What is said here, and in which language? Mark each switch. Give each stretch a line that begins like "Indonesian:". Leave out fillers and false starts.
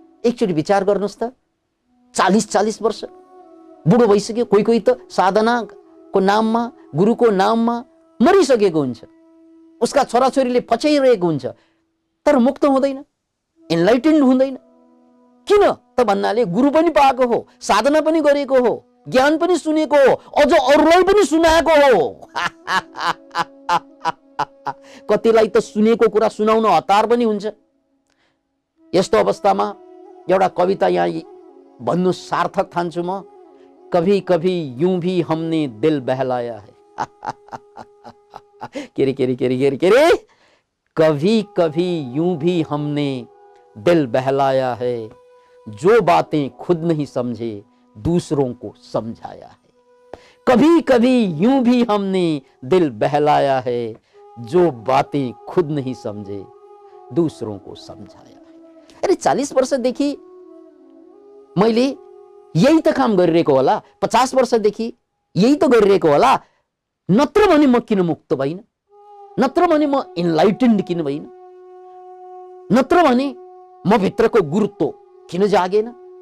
Nepali: एकचोटि विचार गर्नुहोस् त, 40-40 वर्ष बुढो भइसक्यो, कोही कोही त साधनाको नाममा गुरुको नाममा मरिसकेको हुन्छ, उसका छोराछोरीले पछ्याइरहेको हुन्छ, तर मुक्त हुँदैन, इन्लाइटेन्ड हुँदैन। किन त भन्नाले गुरु पनि पाएको हो, साधना पनि गरेको हो, ज्ञान पनि सुनेको हो, अझ अरूलाई पनि सुनाएको हो। कतिलाई त सुनेको कुरा सुनाउन हतार पनि हुन्छ। यस्तो अवस्थामा एउटा कविता यहाँ भन्नु सार्थक ठान्छु म,
Hindi: कभी कभी यूं भी हमने दिल बहलाया है। केरे, कभी कभी यूं भी हमने दिल बहलाया है, जो बातें खुद नहीं समझे दूसरों को समझाया है। कभी कभी यूं भी हमने दिल बहलाया है, जो बातें खुद नहीं समझे दूसरों को समझाया है।
Nepali: अरे 40 वर्ष देखि मैले यही त काम गरिरहेको होला, 50 वर्षदेखि यही त गरिरहेको होला, नत्र भने म किन मुक्त भइन, नत्र भने म इन्लाइटेन्ड किन भइन, नत्र भने म भित्रको गुरुत्व किन जागेन।